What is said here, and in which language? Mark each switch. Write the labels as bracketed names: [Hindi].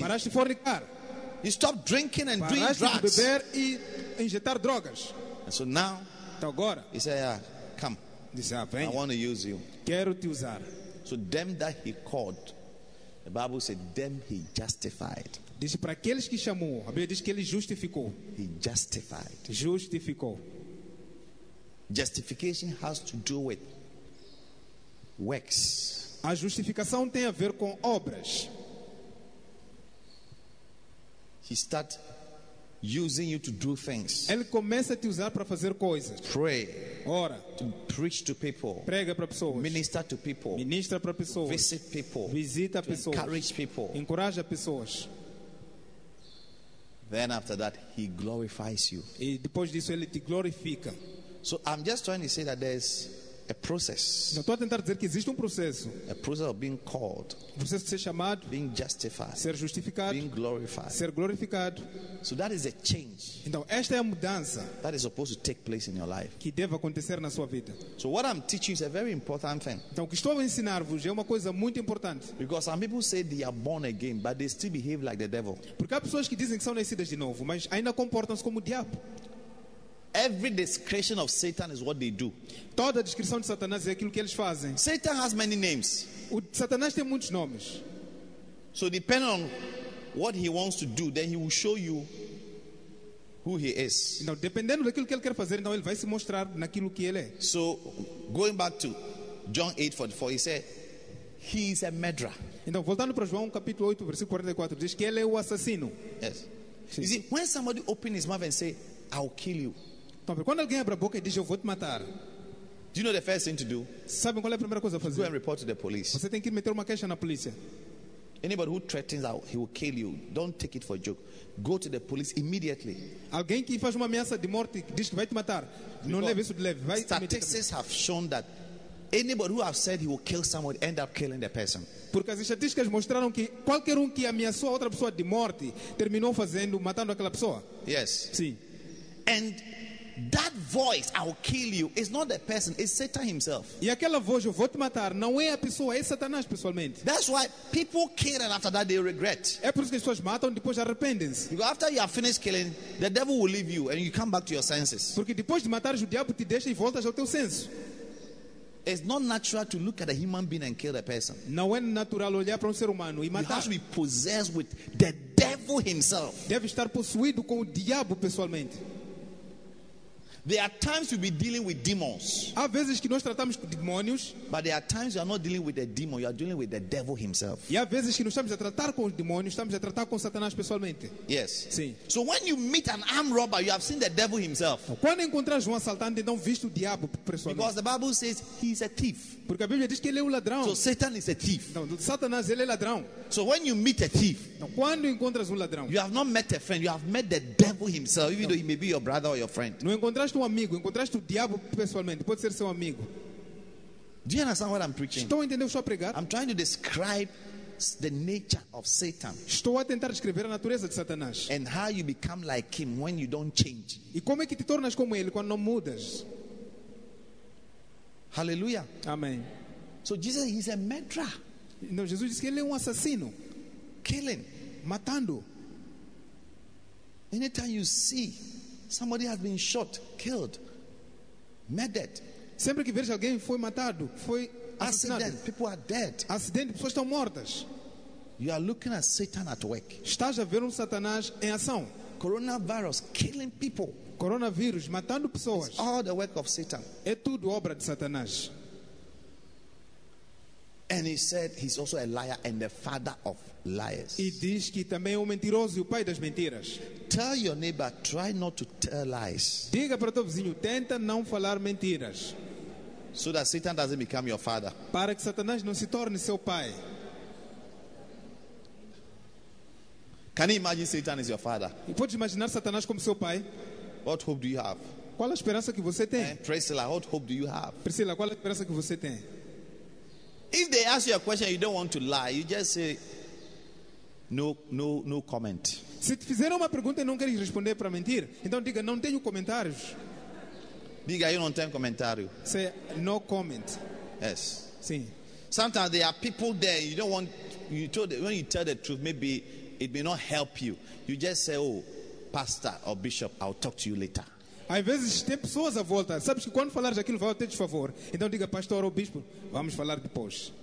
[Portuguese] Paraste de fornicar. [English] You stop drinking and doing drugs. [Portuguese] Paraste de beber e injetar drogas. [English] And so now, [Portuguese] então agora, [English] he said, yeah, come. [Portuguese] Disse, ah, vem. [English] I want to use you. [Portuguese] Quero te usar. [English] So them that he called, the Bible said, them he justified. [Portuguese] Disse para aqueles que chamou, a Bíblia diz que ele justificou. [English] He justified. [Portuguese] Justificou. [English] Justification has to do with works. [Portuguese] A justificação tem a ver com obras. [English] He start using you to do things. [Portuguese] Ele começa a te usar para fazer coisas. [English] Pray. [Portuguese] Ora. [English] To preach to people. [Portuguese] Prega para pessoas. [English] Minister to people. [Portuguese] Ministra para pessoas. [English] Visit people. [Portuguese] Visita pessoas. [English] Encourage people. [Portuguese] Encoraja pessoas. [English] Then after that, he glorifies you. [Portuguese] E depois disso ele te glorifica. [English] So I'm just trying to say that there's a process. [Portuguese] Estou a tentar dizer que existe processo. [English] A process of being called. [Portuguese] O processo de ser chamado. [English] Being justified. [Portuguese] Ser justificado. [English] Being glorified. [Portuguese] Ser glorificado. [English] So that is a change. [Portuguese] Então esta é a mudança. [English] That is supposed to take place in your life. [Portuguese] Que deve acontecer na sua vida. [English] So what I'm teaching is a very important thing. [Portuguese] Então o que estou a ensinar-vos é uma coisa muito importante. [English] Because some people say they are born again, but they still behave like the devil. [Portuguese] Porque há pessoas que dizem que são nascidas de novo, mas ainda comportam-se como o diabo. [English] Every description of Satan is what they do. [Portuguese] Toda a descrição de Satanás é aquilo que eles fazem. [English] Satan has many names. [Portuguese] O Satanás tem muitos nomes. [English] So depending on what he wants to do, then he will show you who he is. [Portuguese] Então, dependendo daquilo que ele quer fazer, então ele vai se mostrar naquilo que ele é. [English] So going back to John 8:44, he said he is a murderer. [Portuguese] Então, voltando para João capítulo 8, versículo 44, diz que ele é o assassino. [English] Yes. Sim. You see, when somebody opens his mouth and say, I'll kill you. [Portuguese] Então, quando alguém abre a boca e diz eu vou te matar, [English] do you know the first thing to do? [Portuguese] Sabe qual é a primeira coisa a fazer? [English] Go and report to the police. [Portuguese] Você tem que meter uma queixa na polícia. [English] Anybody who threatens that he will kill you, don't take it for a joke. Go to the police immediately. [Portuguese] Alguém que faz uma ameaça de morte e diz que vai te matar, [English] because [Portuguese] não leve isso de leve. Vai. [English] Statistics have shown that anybody who has said he will kill someone end up killing the person. [Portuguese] Porque as estatísticas mostraram que qualquer que ameaçou a outra pessoa de morte terminou fazendo matando aquela pessoa. [English] Yes. [Portuguese] Sim. [English] And that voice, I will kill you, is not the person, it's Satan himself. [Portuguese] E aquela voz, eu vou te matar, não é a pessoa, é Satanás pessoalmente. [English] That's why people kill and after that they regret. [Portuguese] É por isso que as pessoas matam depois de arrependem-se. [English] Because after you have finished killing, the devil will leave you and you come back to your senses. [Portuguese] Porque depois de matar, o diabo te deixa e voltas ao teu senso. [English] It's not natural to look at a human being and kill a person. [Portuguese] Não é natural olhar para ser humano e matar. [English] You have to be possessed with the devil himself. [Portuguese] Deve estar possuído com o diabo pessoalmente. [English] There are times you'll be dealing with demons. [Portuguese] Há vezes que nós tratamos com demônios. [English] But there are times you are not dealing with a demon, you are dealing with the devil himself. [Portuguese] E há vezes que não estamos a tratar com os demônios, estamos a tratar com Satanás pessoalmente. [English] Yes. [Portuguese] Sim. [English] So when you meet an armed robber, you have seen the devil himself. [Portuguese] Quando encontras assaltante, não viste o diabo pessoalmente. [English] Because the Bible says he is a thief. [Portuguese] Porque a Bíblia diz que ele é ladrão. [English] So Satan is a thief. [Portuguese] Não, Satanás ele é ladrão. [English] So when you meet a thief, [Portuguese] quando encontras ladrão, [English] you have not met a friend, you have met the devil himself, even though he may be your brother or your friend. [Portuguese] Não encontraste amigo, encontraste o diabo pessoalmente, pode ser seu amigo. [English] Do you understand what I'm preaching? [Portuguese] Estou a entender o que estou a pregar? [English] I'm trying to describe the nature of Satan. [Portuguese] Estou a tentar descrever a natureza de Satanás. [English] And how you become like him when you don't change. [Portuguese] E como é que te tornas como ele quando não mudas? [English] Hallelujah. [Portuguese] Amém. [English] So Jesus, he's a murderer. [Portuguese] Então Jesus disse que ele é assassino. [English] Killing. [Portuguese] Matando. [English] Anytime you see somebody has been shot, killed, murdered. [Portuguese] Sempre que vejo alguém foi matado, foi assassinado. [English] Accident, people are dead. [Portuguese] Acidente, pessoas estão mortas. [English] You are looking at Satan at work. [Portuguese] Estás a ver Satanás em ação. [English] Coronavirus, killing people. [Portuguese] Coronavírus, matando pessoas. [English] It's all the work of Satan. [Portuguese] É tudo obra de Satanás. [English] And he said he's also a liar and the father of liars. [Portuguese] E diz que também é mentiroso e o pai das mentiras. [English] Tell your neighbor, try not to tell lies. [Portuguese] Diga para o teu vizinho, tenta não falar mentiras. [English] So that Satan doesn't become your father. [Portuguese] Para que Satanás não se torne seu pai. [English] Can you imagine Satan is your father? [Portuguese] E pode imaginar Satanás como seu pai? [English] What hope do you have? [Portuguese] Qual a esperança que você tem? [English] Priscilla, what hope do you have? [Portuguese] Priscilla, qual a esperança que você tem? [English] If they ask you a question, you don't want to lie. You just say no comment. [Portuguese] Se te fizeram uma pergunta e não queres responder para mentir, então diga não tenho comentários. Diga eu não tenho comentário. [English] Say no comment. Yes. [Portuguese] Sim. [English] Sometimes there are people there. You don't want you told when you tell the truth, maybe it may not help you. You just say, oh, pastor or bishop, I'll talk to you later. [Portuguese] Às vezes tem pessoas à volta. Sabes que quando falares aquilo vai ter desfavor. Então diga pastor ou bispo, vamos falar depois.